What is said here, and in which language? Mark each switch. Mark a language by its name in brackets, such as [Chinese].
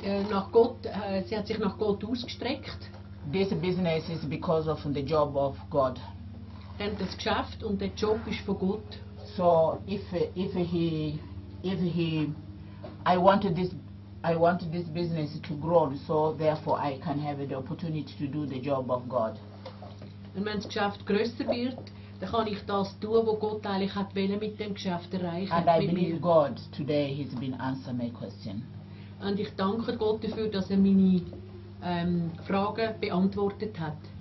[German] Nach Gott, sie hat sich nach Gott ausgestreckt. [English] This business is because of the job of God. [German] Denn das Geschäft und der Job ist von Gott. [English] So if he, I wanted this business to grow, so therefore I can have the opportunity to do the job of God. [German] Und wenn das Geschäft grösser wird, dann kann ich das tun, was Gott eigentlich hat wollen mit dem Geschäft erreichen. [English] And I believe God today has been answering my question. [German] Und ich danke Gott dafür, dass er meine Fragen beantwortet hat.